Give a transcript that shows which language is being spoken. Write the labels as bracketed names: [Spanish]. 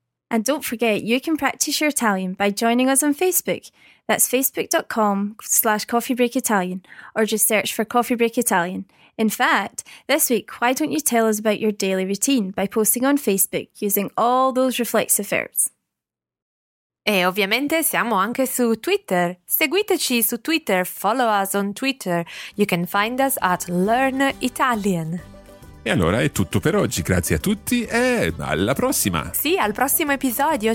[English] And don't forget, you can practice your Italian by joining us on Facebook. That's facebook.com/coffeebreakitalian, or just search for Coffee Break Italian. In fact, this week, why don't you tell us about your daily routine by posting on Facebook using all those reflexive verbs? [Italian] E ovviamente siamo anche su Twitter. Seguiteci su Twitter, [English] follow us on Twitter. You can find us at Learn Italian. [Italian] E allora è tutto per oggi. Grazie a tutti e alla prossima! Sì, al prossimo episodio.